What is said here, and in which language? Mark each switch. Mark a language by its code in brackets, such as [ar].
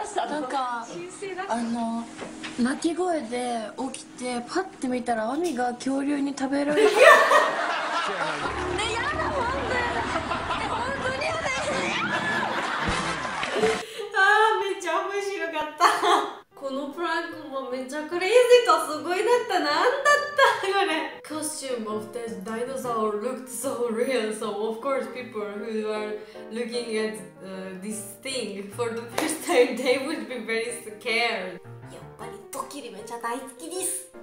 [ja] なんかあの鳴き声で起きてパッて見たらアミが恐竜に食べられる。ね、やだ、ほんとやだ、ほんとにやだ。あー、めっちゃ面白かった。このプランクもめちゃクレイジーとすごいだった。なんだったこれ。 [en] Costume of this dinosaur looked so real, so of course people who are looking at this thing for the first time, they would be very scared. [ja] やっぱりドキリめちゃ大好きです。